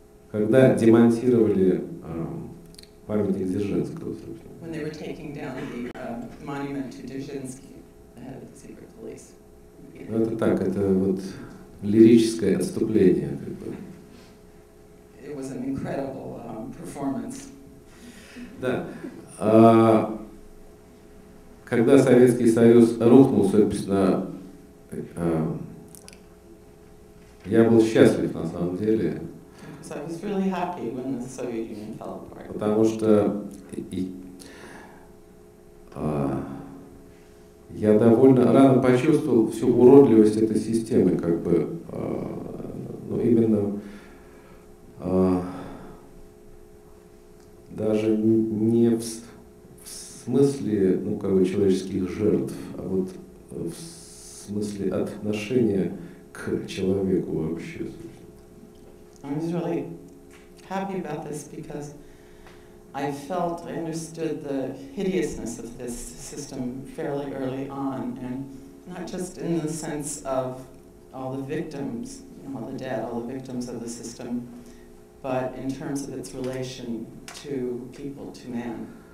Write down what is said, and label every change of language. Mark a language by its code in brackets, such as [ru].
[ru] Когда демонтировали памятник Дзержинского, собственно. [en] When they were taking down the monument to Dzerzhinsky, the head of the secret police. Yeah. [ru] Ну, это так, это вот лирическое отступление, как бы. [en] It was an incredible performance. [ru] Да. Когда Советский Союз рухнул, собственно, я был счастлив на самом деле. [en] So I was really happy when the Soviet Union fell apart. [ru] Потому что я довольно рано почувствовал всю уродливость этой системы, как бы, ну, именно даже не в смысле, ну, как бы, человеческих жертв, а вот в смысле отношения к человеку вообще. [en] I'm really happy about this because I felt, I understood the hideousness of this system fairly early on, and not just in the sense of all the victims, you know, all the dead, all the victims of the system, but in terms of its relation to people, to man.